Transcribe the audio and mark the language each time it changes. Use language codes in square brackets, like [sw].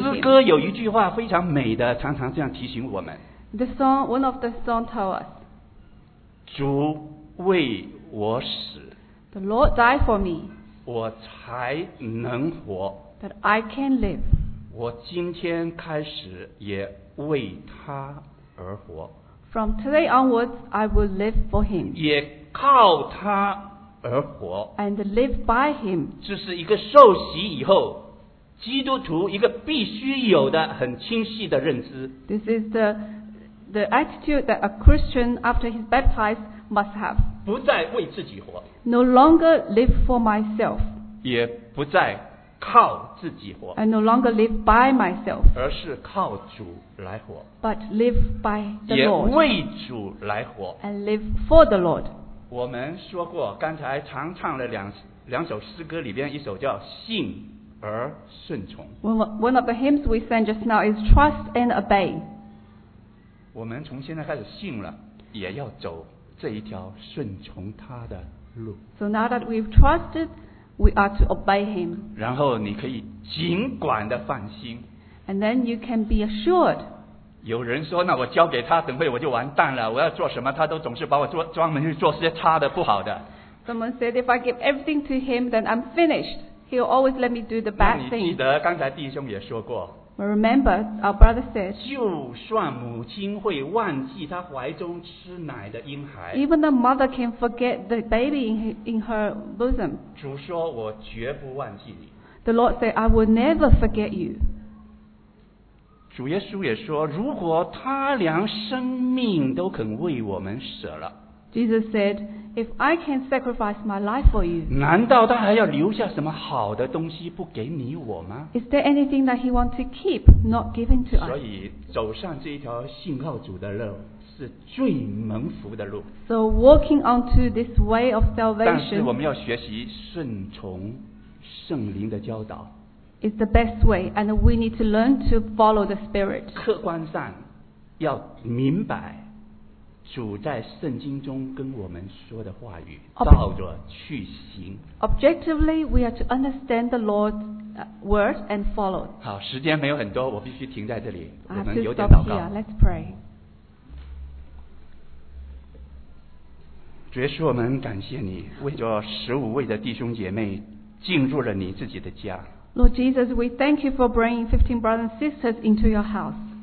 [en] him. [zh] 所以诗歌有一句话非常美的，常常这样提醒我们。 [en] The song, one of the songs tells us. [zh] 主为我死 [en] The Lord died for me [zh] 我才能活 [en] That I can live [zh] 我今天开始也为他而活 [en] From today onwards I will live for him [zh] 也靠他而活 [en] And live by him [zh] 这是一个受洗以后基督徒一个必须有的很清晰的认知 [en] This is the attitude that a Christian after he's baptized must have. [zh] 不再为自己活。 [en] No longer live for myself. [zh] 也不再靠自己活。 [en] And no longer live by myself. [zh] 而是靠主来活。 [en] But live by the Lord. [zh] 也为主来活。 [en] And live for the Lord. [zh] 我们说过，刚才常唱了两首诗歌里边一首叫《信而顺从》。 [en] One of the hymns we sang just now is Trust and Obey. [zh] 我们从现在开始信了，也要走这一条顺从他的路。 [en] So now that we've trusted, we are to obey him. [zh] 然后你可以尽管的放心。 [en] And then you can be assured. [zh] 有人说，那我交给他，等会我就完蛋了。我要做什么，他都总是把我专门去做些差的、不好的。 [en] Someone said, if I give everything to him, then I'm finished. He'll always let me do the bad thing. [zh] 那你记得刚才弟兄也说过。 [en] Remember, our brother said, [zh] 就算母亲会忘记她怀中吃奶的婴孩 [en] Even the mother can forget the baby in her bosom. [zh] 主说我绝不忘记你 [en] The Lord said, I will never forget you. [zh] 主耶稣也说如果他连生命都肯为我们舍了 [en] Jesus said, if I can sacrifice my life for you, [zh] 难道他还要留下什么好的东西不给你我吗 [en] Is there anything that he wants to keep, not given to us? [zh] 所以走上这一条信靠主的路是最蒙福的路 [en] So walking onto this way of salvation, [zh] 但是我们要学习顺从圣灵的教导 [en] is the best way, and we need to learn to follow the Spirit. [zh] 客观上要明白主在圣经中跟我们说的话语照着去行。 [en] Objectively, we are to understand the Lord's word and follow. [zh] 好，时间没有很多，我必须停在这里。我们有点祷告。 [en] Let's pray. [zh] 主耶稣，我们感谢你，为着十五位的弟兄姐妹进入了你自己的家。 [en] Lord Jesus, we thank you for bringing 15 brothers and sisters into your house.